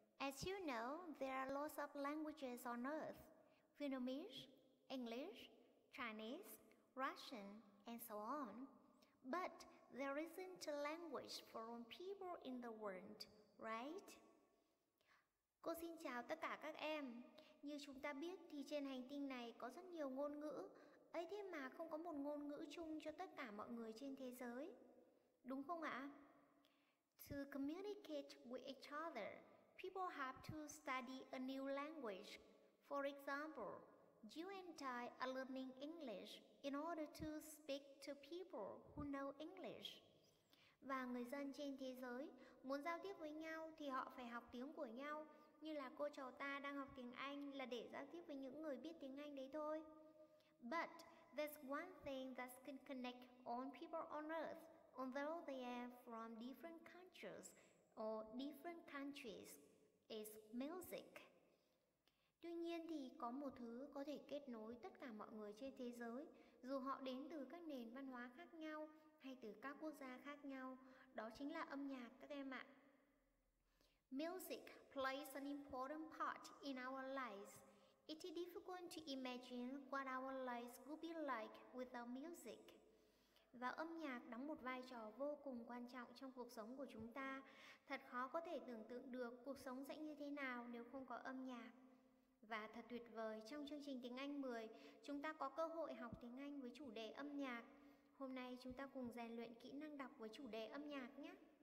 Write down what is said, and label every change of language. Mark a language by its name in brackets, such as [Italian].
[English] As you know, there are lots of languages on Earth: Vietnamese, English, Chinese, Russian, and so on. But there isn't a language for all people in the world, right? [Vietnamese] Cô xin chào tất cả các em. Như chúng ta biết thì trên hành tinh này có rất nhiều ngôn ngữ. Ấy thế mà không có một ngôn ngữ chung cho tất cả mọi người trên thế giới. Đúng không ạ? [English] To communicate with each other, people have to study a new language. For example, you and I are learning English in order to speak to people who know English. [Vietnamese] Và người dân trên thế giới muốn giao tiếp với nhau thì họ phải học tiếng của nhau, như là cô trò ta đang học tiếng Anh là để giao tiếp với những người biết tiếng Anh đấy thôi. [English] But there's one thing that can connect all people on Earth, although they are from different cultures or different countries, is music. [Vietnamese] Tuy nhiên thì có một thứ có thể kết nối tất cả mọi người trên thế giới, dù họ đến từ các nền văn hóa khác nhau hay từ các quốc gia khác nhau, đó chính là âm nhạc các em ạ. [English] Music plays an important part in our lives. It is difficult to imagine what our lives would be like without music. [Vietnamese] Và âm nhạc đóng một vai trò vô cùng quan trọng trong cuộc sống của chúng ta. Thật khó có thể tưởng tượng được cuộc sống sẽ như thế nào nếu không có âm nhạc. Và thật tuyệt vời, trong chương trình Tiếng Anh 10, chúng ta có cơ hội học tiếng Anh với chủ đề âm nhạc. Hôm nay chúng ta cùng rèn luyện kỹ năng đọc với chủ đề âm nhạc nhé.